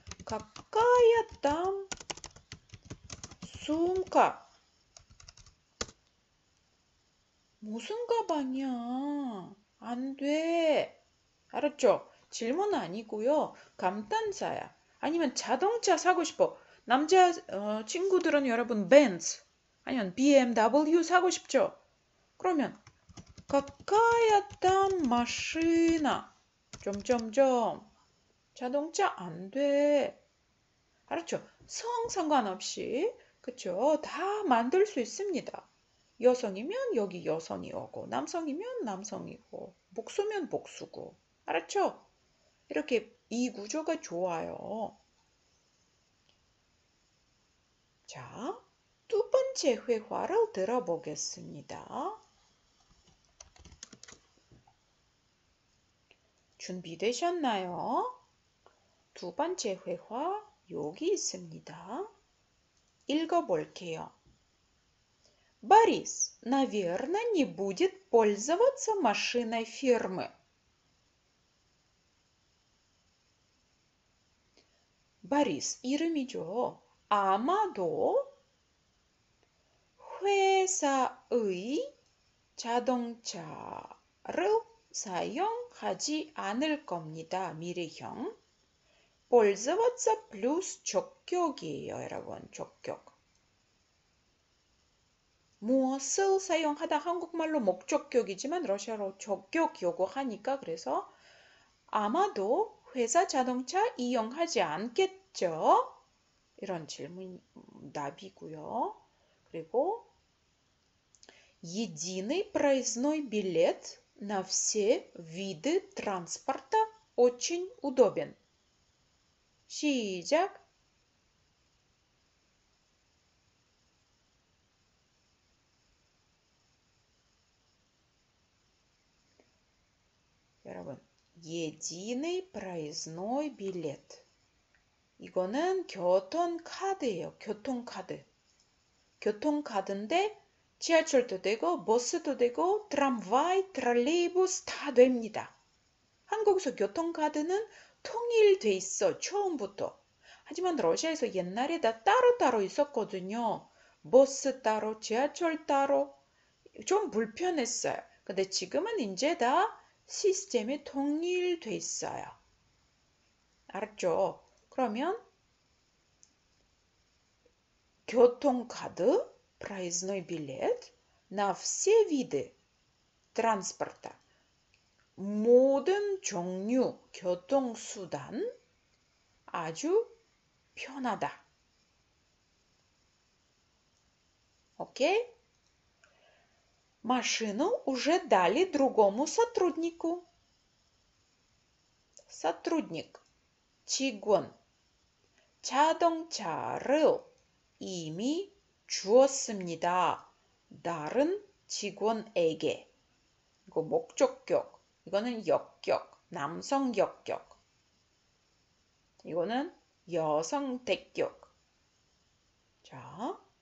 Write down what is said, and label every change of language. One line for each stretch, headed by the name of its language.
Korean: 가까이야 땀 숨가 무슨 가방이야? 안 돼. 알았죠? 질문 아니고요. 감탄사야. 아니면 자동차 사고 싶어. 남자 친구들은 여러분 벤츠 아니면 BMW 사고 싶죠? 그러면
Russian: какая там машина?
Korean: 점점점 자동차 안 돼. 알았죠? 성 상관없이 그쵸? 다 만들 수 있습니다. 여성이면 여기 여성이 오고 남성이면 남성이고 복수면 복수고 알았죠? 이렇게 이 구조가 좋아요. 자, 두 번째 회화를 들어보겠습니다. 준비되셨나요? 두 번째 회화 여기 있습니다. 읽어볼게요.
Russian: Борис, наверное, не будет пользоваться машиной фирмы.
Korean: Борис, 이름이죠. 아마도 회사의 자동차를 사용하지 않을 겁니다. 미래형.
Russian: Пользоваться плюс
Korean: 적격이에요, 여러분. 적격. 무엇을 사용하다 한국말로 목적격이지만 러시아로 적격 요구하니까 그래서 아마도 회사 자동차 이용하지 않겠죠? 이런 질문 답이고요. 그리고
Russian: единый проездной билет на все виды транспорта очень удобен.
Korean: 시작. 여러분,
Russian: единый проездной билет.
Korean: 이거는 교통카드예요. 교통카드. 교통카드인데 지하철도 되고 버스도 되고 트람바이, 트롤레이부스 다 됩니다. 한국에서 교통카드는 통일돼 있어, 처음부터. 하지만 러시아에서 옛날에 다 따로따로 있었거든요. 버스 따로, 지하철 따로. 좀 불편했어요. 근데 지금은 이제 다 시스템이 통일돼 있어요. 알았죠? 그러면 교통카드,
Russian: проездной билет на все виды транспорта,
Korean: 모든 종류 교통수단 아주 편하다. 오케이?
Russian: Машину уже дали другому сотруднику. Сотрудник, чигун.
Korean: 자동차를 이미 주었습니다. 다른 직원에게. 이거 목적격. 이거는 역격. 남성 역격. 이거는 여성 대격. 자.